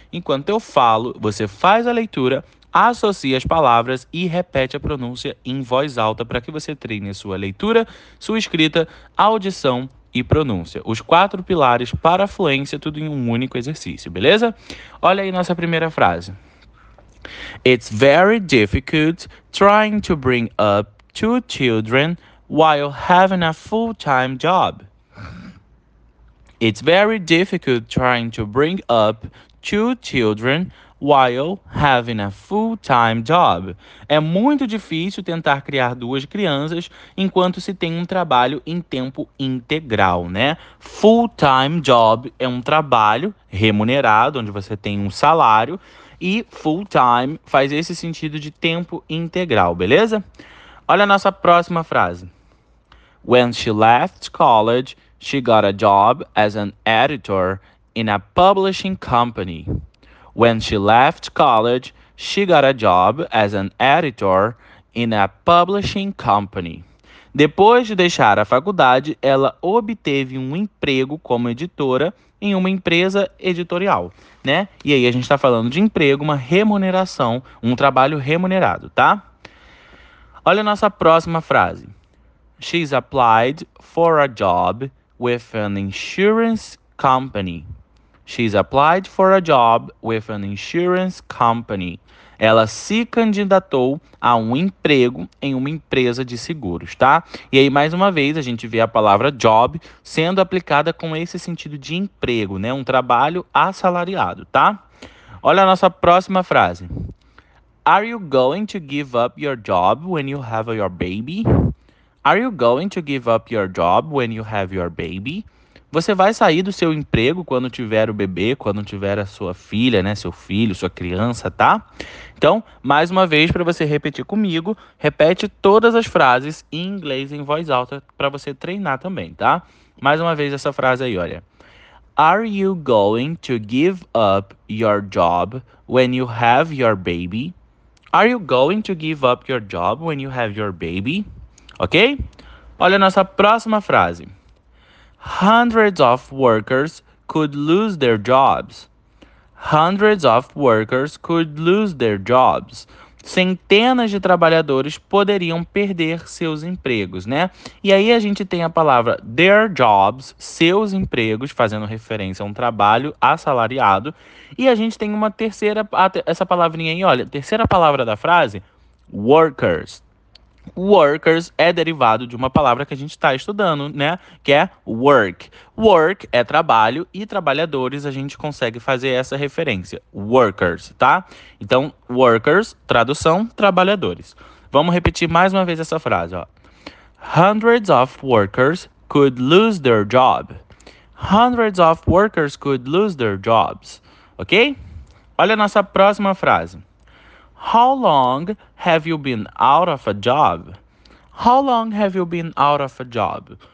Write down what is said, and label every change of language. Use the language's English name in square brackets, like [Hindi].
[Portuguese] Enquanto eu falo, você faz a leitura, associa as palavras e repete a pronúncia em voz alta para que você treine a sua leitura, sua escrita, audição e pronúncia. Os quatro pilares para a fluência, tudo em um único exercício, beleza? Olha aí nossa primeira frase. [English] It's very difficult trying to bring up two children while having a full-time job. It's very difficult trying to bring up two children while having a full-time job. [Portuguese] É muito difícil tentar criar duas crianças enquanto se tem um trabalho em tempo integral, né? Full-time job é um trabalho remunerado, onde você tem um salário, e full-time faz esse sentido de tempo integral, beleza? Olha a nossa próxima frase. [English] When she left college, she got a job as an editor in a publishing company. When she left college, she got a job as an editor in a publishing company. [Portuguese] Depois de deixar a faculdade, ela obteve um emprego como editora em uma empresa editorial, né? E aí a gente está falando de emprego, uma remuneração, um trabalho remunerado, tá? Olha a nossa próxima frase. [English] She's applied for a job with an insurance company. She's applied for a job with an insurance company. [Portuguese] Ela se candidatou a um emprego em uma empresa de seguros, tá? E aí, mais uma vez, a gente vê a palavra job sendo aplicada com esse sentido de emprego, né? Um trabalho assalariado, tá? Olha a nossa próxima frase. [English] Are you going to give up your job when you have your baby? Are you going to give up your job when you have your baby? [Portuguese] Você vai sair do seu emprego quando tiver o bebê, quando tiver a sua filha, né? Seu filho, sua criança, tá? Então, mais uma vez, para você repetir comigo, repete todas as frases em inglês em voz alta para você treinar também, tá? Mais uma vez essa frase aí, olha. [English] Are you going to give up your job when you have your baby? Are you going to give up your job when you have your baby? Ok? [Portuguese] Olha a nossa próxima frase. [English] Hundreds of workers could lose their jobs. Hundreds of workers could lose their jobs. [Portuguese] Centenas de trabalhadores poderiam perder seus empregos, né? E aí a gente tem a palavra their jobs, seus empregos, fazendo referência a um trabalho assalariado. E a gente tem uma terceira, essa palavrinha aí, olha, terceira palavra da frase, workers. Workers é derivado de uma palavra que a gente está estudando, né? Que é work. Work é trabalho e trabalhadores a gente consegue fazer essa referência. Workers, tá? Então, workers, tradução, trabalhadores. Vamos repetir mais uma vez essa frase, ó. [English] Hundreds of workers could lose their job. Hundreds of workers could lose their jobs. Ok? [Portuguese] Olha a nossa próxima frase. [English] How long have you been out of a job? How long have you been out of a job?